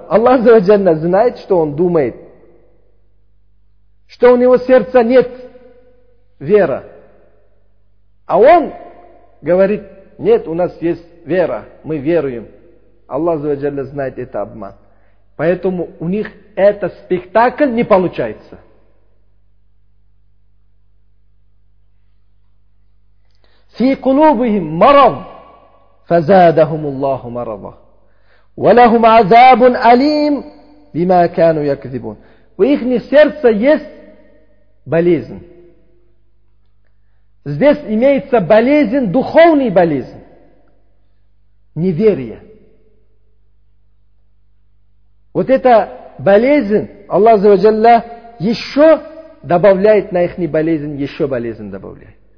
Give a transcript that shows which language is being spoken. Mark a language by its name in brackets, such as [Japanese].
[Russian] Аллах Азза ва Джалла знает, что он думает. Что у него сердца нет вера. А он говорит: нет, у нас есть вера, мы веруем. Аллах Азза ва Джалла знает, это обман. Поэтому у них этот спектакль не получается. [Arabic] في قلوبهم مرض فزادهم الله مرضا ولهم عذاب أليم بما كانوا يكذبون. [Russian] У их сердца есть болезнь. Здесь имеется болезнь, духовная болезнь. Неверие. Вот эта болезнь, Аллах Азза ва Джалла еще добавляет на их болезнь, еще болезнь добавляет.